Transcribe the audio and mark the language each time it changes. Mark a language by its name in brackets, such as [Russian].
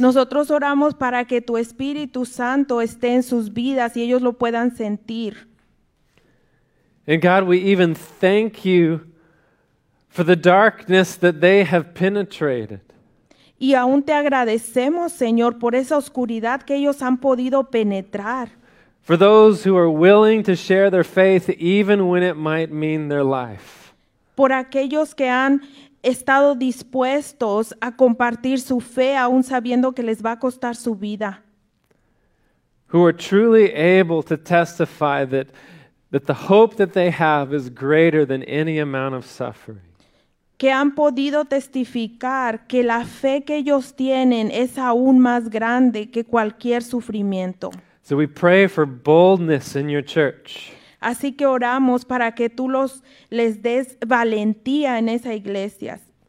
[Spanish] Nosotros oramos para que tu Espíritu Santo esté en sus vidas y ellos lo puedan sentir. [English] And God, we even thank you for the darkness that they have penetrated. [Spanish] Y aún te agradecemos, Señor, por esa oscuridad que ellos han podido penetrar. [English] For those who are willing to share their faith even when it might mean their life. [Spanish] Por aquellos que han estado dispuestos a compartir su fe aún sabiendo que les va a costar su vida. [English] Who are truly able to testify that the hope that they have is greater than any amount of suffering. [Spanish] Que han podido testificar que la fe que ellos tienen es aún más grande que cualquier sufrimiento. [English] So we pray for boldness in your church. [Spanish] Así que oramos para que tú les des valentía en esas iglesias.